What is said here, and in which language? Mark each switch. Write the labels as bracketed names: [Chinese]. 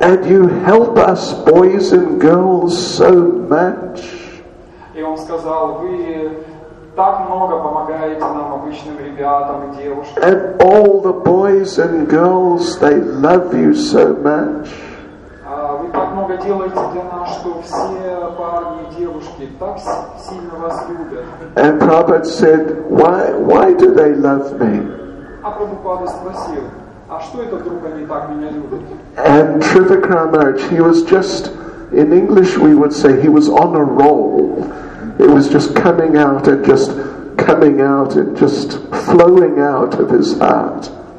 [English] And you help us boys and girls so much. [Russian] Так много помогаете нам, обычным ребятам и девушкам. [English] And all the boys and girls, they love you so much. [Russian] Вы так много делаете для нас, что все парни и девушки так сильно вас любят. [English] And Prabhupada said, why do they love me? [Russian] А Прабхупада спросил, а что это вдруг они так меня любят? [English] And Trivikram Maharaj, he was just, in English we would say, he was on a roll. It was just coming out and just flowing out of his heart.